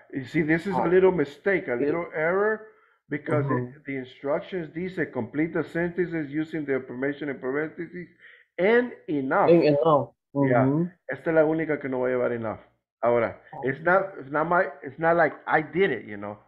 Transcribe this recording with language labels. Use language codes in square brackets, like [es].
[en] You see, this is a little mistake, a little error, because the instructions dice complete the sentences using the information in parentheses and enough. And enough. [es] Yeah, esta es la única que no voy a llevar enough. [en] Ahora, it's not like I did it, you know.